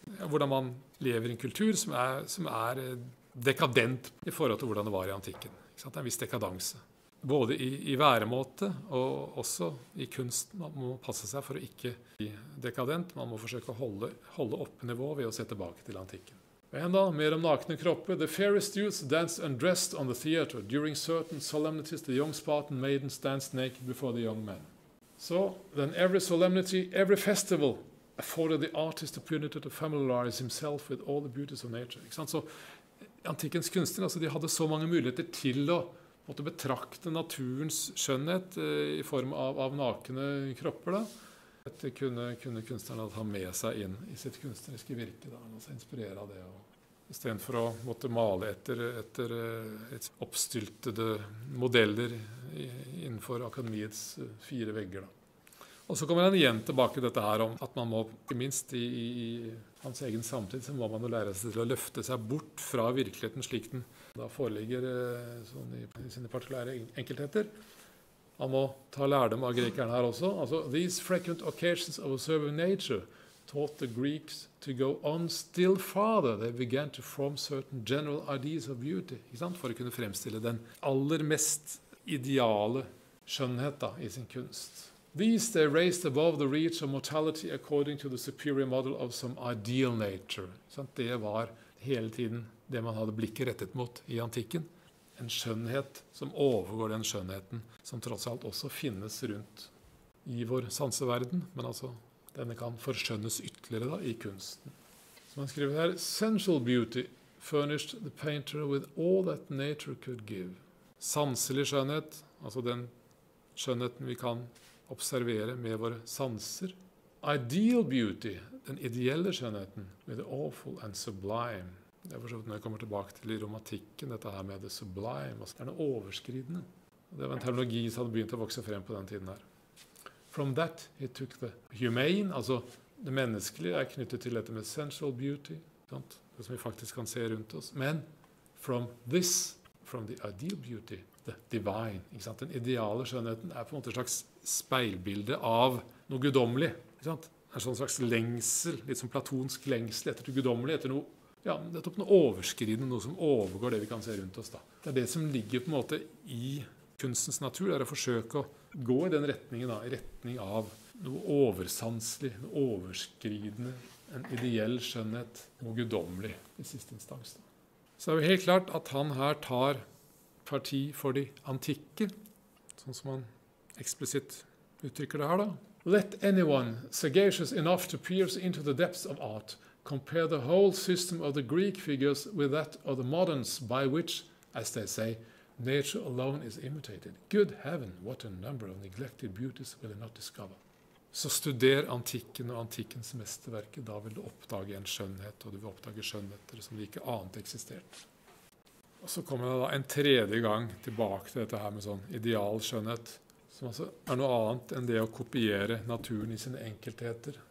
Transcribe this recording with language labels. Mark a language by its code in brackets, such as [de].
[no] Hvordan man lever i en kultur som er dekadent i forhold til hvordan det var i antikken. Ikke sant? Det en viss dekadanse. Både i væremåte og også i kunsten. Man må passe seg for å ikke bli dekadent. Man må forsøke å holde opp nivå ved å se tilbake til antikken. Men da, mer om nakne kroppe. [en] The fairest youths danced undressed on the theater. During certain solemnities, the young Spartan maidens danced naked before the young men. So then every solemnity, every festival afforded the artist opportunity to familiarize himself with all the beauties of nature. [no] Ikke sant? Så antikkens kunstnere, altså, de hadde så mange muligheter til å måtte betrakte naturens skjønnhet i form av nakne kropper. Dette kunne kunstnerne ta med seg inn i sitt kunstneriske virke, da, og inspirere av det. I stedet for å måtte male etter oppstiltede modeller innenfor akademiets fire vegger. Da. Og så kommer han igjen tilbake til dette her om at man må, ikke minst i hans egen samtid, så må man lære seg til å løfte seg bort fra virkeligheten slik den da foreligger sånn i sine partikulære enkeltheter. Han må ta lærdom av grekerne her også. Altså, [en] these frequent occasions of observing nature taught the Greeks to go on still farther. They began to form certain general ideas of beauty. [no] Ikke sant? For å kunne fremstille den aller mest ideale skjønnhet da, i sin kunst. [en] These they raised above the reach of mortality according to the superior model of some ideal nature. [no] Sant? Det var hele tiden det man hadde blikket rettet mot i antikken. En skjønnhet som overgår den skjønnheten som tross alt også finnes rundt i vår sanseverden, men altså denne kan forskjønnes ytterligere da, i kunsten. Så man skriver her, [en] sensual beauty furnished the painter with all that nature could give. [no] Sanselig skjønnhet, altså den skjønnheten vi kan observere med våre sanser. [en] Ideal beauty, [no] den ideelle skjønnheten, [en] with the awful and sublime. [no] Det er forstått når jeg kommer tilbake til i romantikken, dette her med det sublime, altså det er noe overskridende. Det var en teknologi som hadde begynt å vokse frem på den tiden her. [en] From that he took the humane, [no] altså det menneskelige er knyttet til dette med sensual beauty, sant? Det som vi faktisk kan se rundt oss. Men [en] from this, from the ideal beauty, the divine, [no] ikke sant? Den ideale skjønnheten er på en måte en slags speilbilde av noe guddommelig, ikke sant? En sånn slags lengsel, litt som platonsk lengsel etter det guddommelige, etter noe, ja, nettopp noe overskridende, noe som overgår det vi kan se rundt oss da. Det er det som ligger på en måte i kunstens natur, det er å forsøke å gå i den retningen da, i retning av noe oversanselig, noe overskridende, en ideell skjønnhet, noe guddommelig i siste instans da. Så det er jo helt klart at han her tar parti for de antikke, sånn som han eksplisitt uttrykker det her da. [en] Let anyone sagacious enough to pierce into the depths of art compare the whole system of the Greek figures with that of the moderns by which, as they say, nature alone is imitated. Good heaven, what a number of neglected beauties will I not discover. [no] Så studer antikken og antikkens mesterverke, da vil du oppdage en skjønnhet, og du vil oppdage skjønnheter som de ikke annet eksisterte. Og så kommer det da en tredje gang tilbake til dette her med sånn ideal skjønnhet, som altså er noe annet enn det å kopiere naturen i sine enkeltheter.